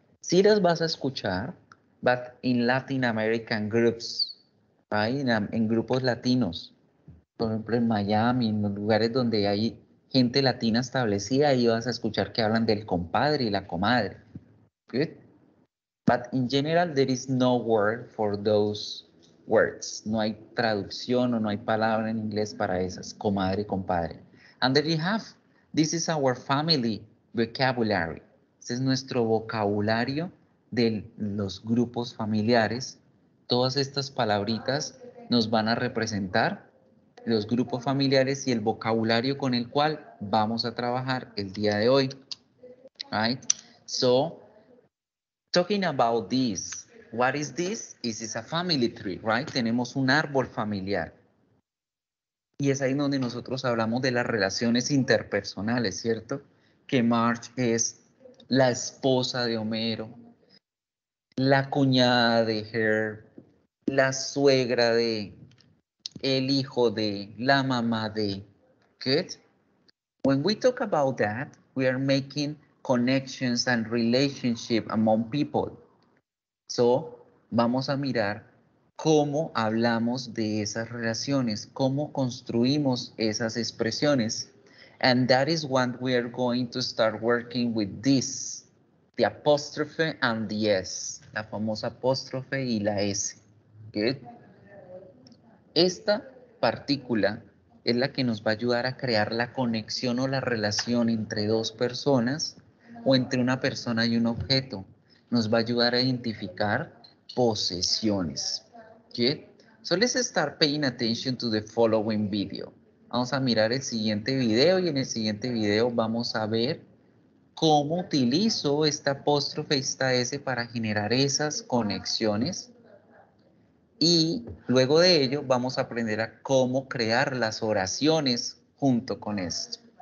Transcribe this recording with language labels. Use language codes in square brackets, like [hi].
[es] Sí las vas a escuchar, [en] but in Latin American groups. [es] En grupos latinos, por ejemplo en Miami, en los lugares donde hay gente latina establecida, ahí vas a escuchar que hablan del compadre y la comadre. [en] Good. But in general, there is no word for those words. [es] No hay traducción o no hay palabra en inglés para esas, comadre y compadre. [en] And there you have, this is our family vocabulary. [es] Este es nuestro vocabulario de los grupos familiares. Todas estas palabritas nos van a representar los grupos familiares y el vocabulario con el cual vamos a trabajar el día de hoy. [en] Right? So, talking about this, what is this? This is a family tree, right? [es] Tenemos un árbol familiar. Y es ahí donde nosotros hablamos de las relaciones interpersonales, ¿cierto? Que Marge es la esposa de Homero, la cuñada de Herb, la suegra de, el hijo de, la mamá de. [en] Good. When we talk about that, we are making connections and relationship among people. [es] So, vamos a mirar cómo hablamos de esas relaciones, cómo construimos esas expresiones. [en] And that is what we are going to start working with this. The apostrophe and the S. [es] La famosa apóstrofe y la S. [en] Good. [es] Esta partícula es la que nos va a ayudar a crear la conexión o la relación entre dos personas o entre una persona y un objeto. Nos va a ayudar a identificar posesiones. Good. [en] So let's start paying attention to the following video. [es] Vamos a mirar el siguiente video y en el siguiente video vamos a ver cómo utilizo esta apóstrofe, esta S para generar esas conexiones. Y luego de ello vamos a aprender a cómo crear las oraciones junto con esto.